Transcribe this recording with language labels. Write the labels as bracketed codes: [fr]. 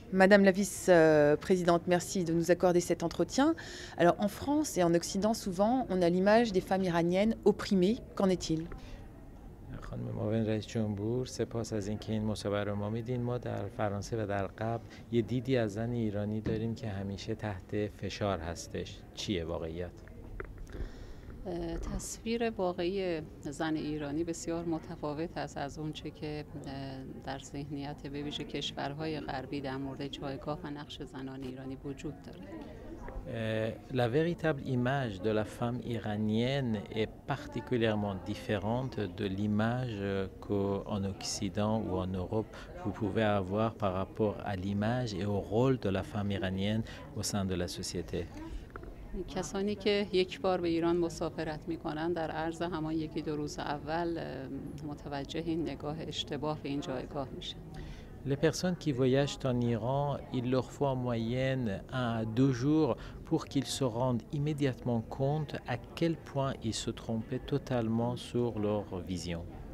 [fr] Madame la vice-présidente, merci de nous accorder cet entretien. Alors, en France et en Occident, souvent, on a l'image des femmes iraniennes opprimées. Qu'en est-il? [fa] خانم معاون رئیس جمهور سپاس از اینکه این مصاحبه رو ما میدین ما در فرانسه و در قبل یه دیدی از زن ایرانی داریم که همیشه تحت فشار هستش چیه واقعیت تصویر واقعی زن ایرانی بسیار متفاوت است از اونچه که در ذهنیت به ویژه کشورهای غربی در مورد جایگاه و نقش زنان ایرانی وجود داره [fr] La véritable image de la femme iranienne est particulièrement différente de l'image qu'en Occident ou en Europe vous pouvez avoir par rapport à l'image et au rôle de la femme iranienne au sein de la société. [fa] کسانی که یک بار به ایران مسافرت می‌کنند در عرض همان یکی دو روز اول متوجه این نگاه اشتباه این جایگاه میشن. [fr] Les personnes qui voyagent en Iran, il leur faut en moyenne 1 à 2 jours pour qu'ils se rendent immédiatement compte à quel point ils se trompaient totalement sur leur vision.